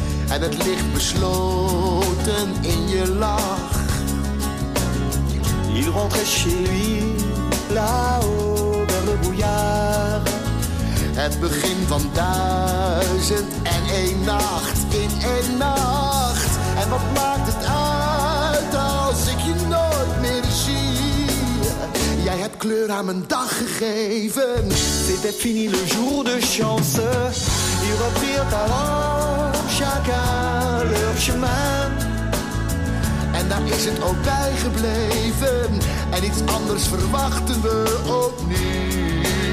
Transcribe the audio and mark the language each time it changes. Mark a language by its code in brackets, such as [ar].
[nl] En het ligt besloten in je lach. [fr] Il rentrait chez lui, là-haut dans le brouillard. [nl] Het begin van duizend en één nacht, in één nacht. En wat maakt het uit als ik je nooit meer zie? Jij hebt kleur aan mijn dag gegeven. [fr] C'était fini le jour de chance. Ils reprirent alors chacun leur chemin. [nl] En daar is het ook bij gebleven. En iets anders verwachten we ook niet.